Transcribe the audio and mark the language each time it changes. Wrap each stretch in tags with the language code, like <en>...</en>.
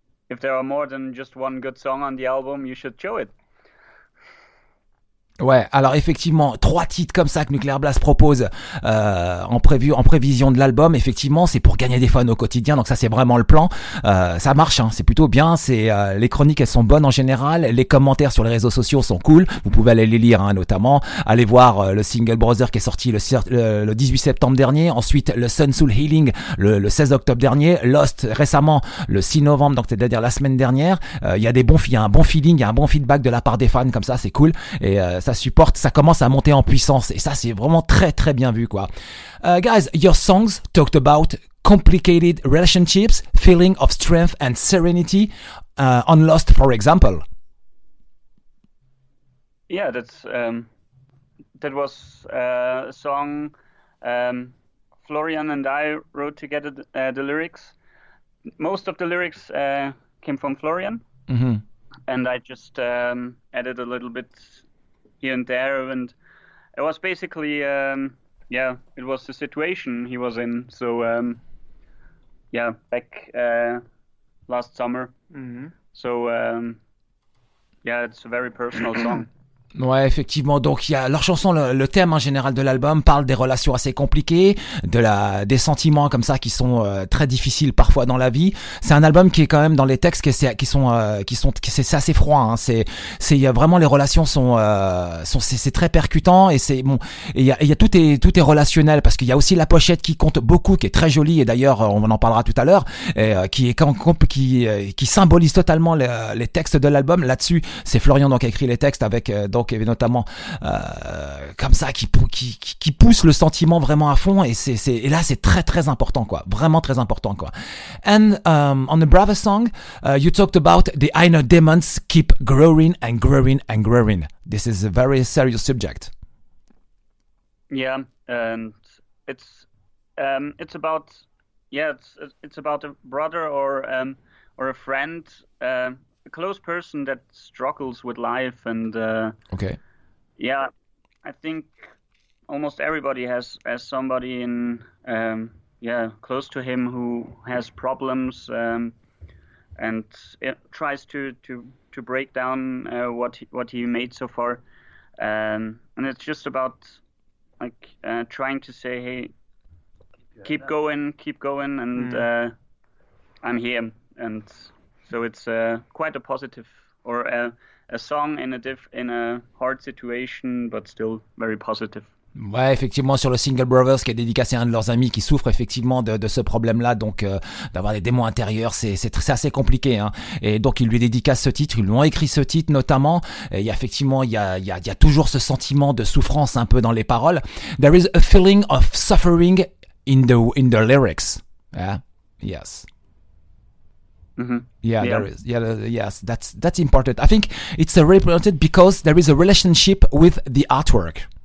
<en>If there are more than just one good song on the album, you should show it.</en> <fr>Ouais, alors effectivement, trois titres comme ça que Nuclear Blast propose en prévision de l'album, effectivement, c'est pour gagner des fans au quotidien, donc ça c'est vraiment le plan. Ça marche, hein, c'est plutôt bien, les chroniques elles sont bonnes en général, les commentaires sur les réseaux sociaux sont cool, vous pouvez aller les lire, hein, notamment, aller voir le single Brother qui est sorti le 18 septembre dernier, ensuite le Sun Soul Healing le 16 octobre dernier, Lost récemment le 6 novembre, donc c'est-à-dire la semaine dernière. Il y a un bon feeling, il y a un bon feedback de la part des fans, comme ça c'est cool, ça supporte, ça commence à monter en puissance, et ça c'est vraiment très très bien vu, quoi.</fr> <en>Guys, your songs talked about complicated relationships, feeling of strength and serenity on Lost, for example. Yeah, that was a song Florian and I wrote together, the lyrics. Most of the lyrics came from Florian, mm-hmm. and I just added a little bit here and there, and it was basically, it was the situation he was in, so, back last summer, mm-hmm. so, it's a very personal song.</en> <fr>Ouais, effectivement. Donc il y a leur chanson, le thème en général de l'album parle des relations assez compliquées, des sentiments comme ça qui sont très difficiles parfois dans la vie. C'est un album qui est quand même dans les textes qui sont assez froid, hein. C'est vraiment, les relations sont très percutant, et c'est bon. Il y a tout est relationnel, parce qu'il y a aussi la pochette qui compte beaucoup, qui est très jolie, et d'ailleurs on en parlera tout à l'heure, et qui symbolise totalement les textes de l'album. Là-dessus, c'est Florian donc qui a écrit les textes avec donc notamment comme ça qui pousse le sentiment vraiment à fond, et là c'est très très important, quoi, vraiment très important, quoi.</fr> <en>And on the Brother song, you talked about the inner demons keep growing and growing and growing. This is a very serious subject. Yeah, and it's about a brother or a friend, a close person that struggles with life, and okay, yeah, I think almost everybody has somebody in close to him who has problems and it tries to break down what he made so far, and it's just about trying to say, hey, keep going, and I'm here, and. So it's quite a positive, or a song in a hard situation, but still very positive.</en> <fr>Ouais, effectivement, sur le single Brothers, qui est dédicacé à un de leurs amis qui souffre effectivement de ce problème-là, donc d'avoir des démons intérieurs, c'est assez compliqué, hein. Et donc ils lui dédicacent ce titre, ils lui ont écrit ce titre notamment. Et effectivement, il y a toujours ce sentiment de souffrance un peu dans les paroles.</fr> <en>There is a feeling of suffering in the lyrics. Yeah. Yes. Yes, that's important. I think it's represented because there is a relationship with the artwork.</en>